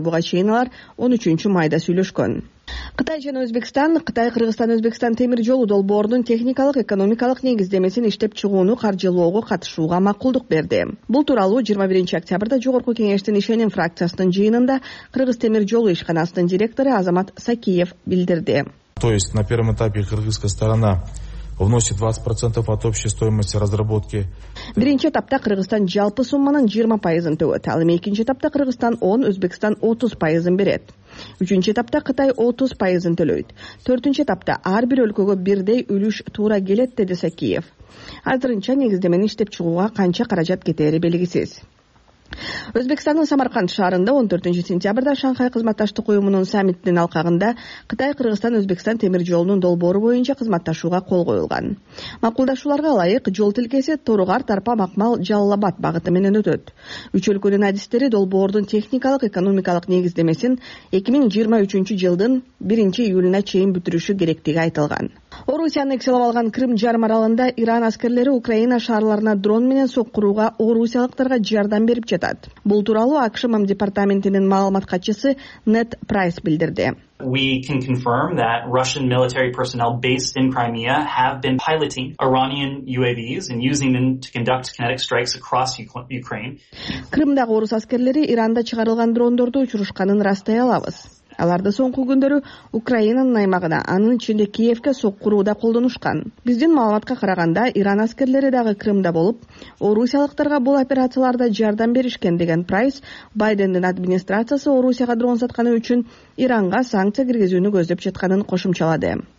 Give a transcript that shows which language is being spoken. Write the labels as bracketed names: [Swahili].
[Kyrgyz] Буга чейин алар 13 майда сүйлөшкөн. Кытай жана Өзбекстан, Кытай Кыргызстан Өзбекстан темир жолу долбоорунун техникалык экономикалык негиздемесин иштеп чыгууну каржылоого катышууга макулдук берди. Бул тууралуу 21 октябрда Жогорку Кеңештин ишеним фракциясынын жыйынында Кыргыз темир жолу ишканасынын директору Азамат Сакиев билдирди. [Russian] То есть на первом этапе кыргызская сторона вносит 20% от общей стоимости разработки. [Kyrgyz] Биринчи этапта Кыргызстан жалпы сумманын 20% төгөт. Ал эми экинчи этапта Кыргызстан 10, Өзбекстан 30% берет. Үчүнчү этапта Кытай 30% төлөйт. Төртүнчү этапта ар бир өлкөгө бирдей үлүш туура келет, деди Сакиев. Азырынча негиздемени иштеп чыгууга канча каражат кетери белгисиз. Өзбекстандын Самарканд шаарында 14 сентябрда Шанхай кызматташтык уюмунун саммитинин алкагында Кытай Кыргызстан Өзбекстан темир жолунун долбоору боюнча кызматташууга кол коюлган. Макулдашууларга ылайык жол тилкеси Торугар Тарпа Макмал Жалалабад багыты менен өтөт. Үч өлкөнүн адистери долбоордун техникалык экономикалык негиздемесин 2023-жылдын 1-июлуна чейин бүтүрүшү керектиги айтылган. Орусияны экселеп алган Крым жарым аралында Иран аскерлери Украина шаарларына дрон менен соккурууга орусиялыктарга жардам берип жатат. Бул тууралуу АКШ МАМ департаментинин маалымат катчысы Нед Прайс билдирди. [English] We can confirm that Russian military personnel based in Crimea have been piloting Iranian UAVs and using them to conduct kinetic strikes across Ukraine. [Kyrgyz] Крымдагы орус аскерлери Иранда чыгарылган дрондорду учурушканын ырастай алабыз. Аларды соңку күндөрү Украинанын аймагына, анын ичинде Киевке соккурууда колдонушкан. Биздин маалыматка караганда, Иран аскерлери дагы Крымда болуп, орусиялыктарга бул операцияларда жардам беришкен, деген Прайс, Байдендин администрациясы Орусияга дрон сатканы үчүн Иранга санкция киргизүүнү көздөп жатканын кошумчалады.